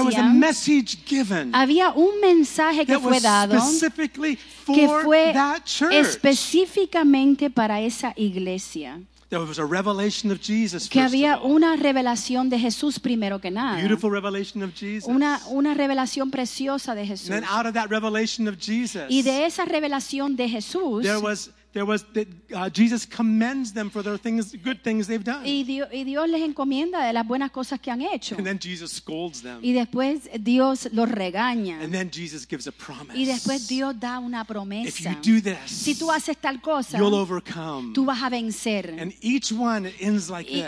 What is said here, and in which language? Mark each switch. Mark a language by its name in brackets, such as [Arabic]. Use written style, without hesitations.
[English] There was a message given. [Spanish] Había un mensaje que fue dado. [English] Specifically for [Spanish] que fue [English] that church. [Spanish] Específicamente para esa iglesia. [English] There was a revelation of Jesus, [Spanish] que había una revelación de Jesús primero que nada. [English] Beautiful revelation of Jesus. [Spanish] Una revelación preciosa de Jesús. [English] And then out of that revelation of Jesus, [Spanish] y de esa revelación de Jesús, [English] there was that Jesus commends them for their things, good things they've done. [Spanish] Y Dios les encomienda de las buenas cosas que han hecho. [English] And then Jesus scolds them. [Spanish] Y después Dios los regaña. [English] And then Jesus gives a promise. [Spanish] Y después Dios da una promesa. [English] If you do this, [Spanish] si tú haces tal cosa, [English] you'll overcome. [Spanish] Tú vas a vencer. [English] And each one ends like this.